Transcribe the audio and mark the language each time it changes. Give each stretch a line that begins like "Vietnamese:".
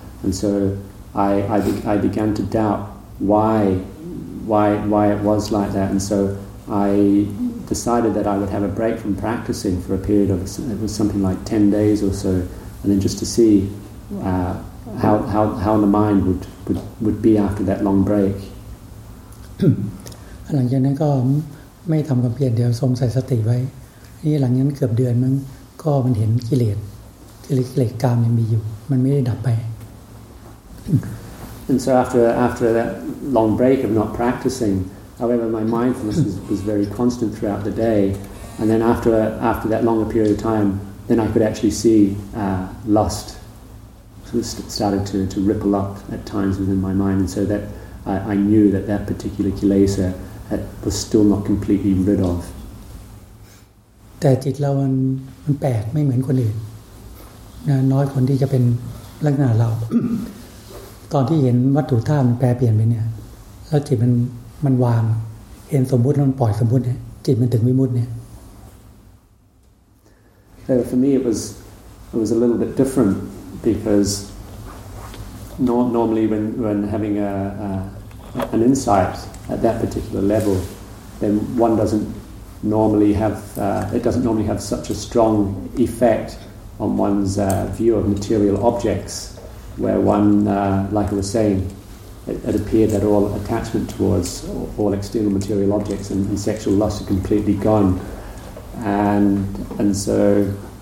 English: And so I began to doubt why it was like that. And so I decided that I would have a break from practicing for a period of, it was something like 10 days or so, and then just to see how the mind would be after that long break.
Thai: หลังจากนั้นก็ไม่ทำความเพียรเดี๋ยวสมใส่สติไว้นี่หลังนั้นเกือบเดือนมึงก็มันเห็นกิเลสกามยังมีอยู่มันไม่ได้ดับไป
English: And so after that long break of not practicing, however, my mindfulness was very constant throughout the day, and then after that longer period of time, then I could actually see lust started to ripple up at times within my mind, and so that I knew that particular kilesa was still not completely rid of.
Thai: แต่จิตเรามันแปลกไม่เหมือนคนอื่นนะน้อยคนที่จะเป็นลักษณะเราตอนที่เห็นวัตถุธาตุมันแปรเปลี่ยนไปเนี่ยแล้วจิตมันวางเห็นสมมุติมันปล่อยสมมุติเนี่ยจิตมันถึงวิมุตติเนี่ย
English: For me it was a little bit different because normally when having an insight at that particular level then one doesn't normally have it doesn't normally have such a strong effect on one's view of material objectsWhere one, like I was saying, it appeared that all attachment towards all external material objects and sexual lust are completely gone, and so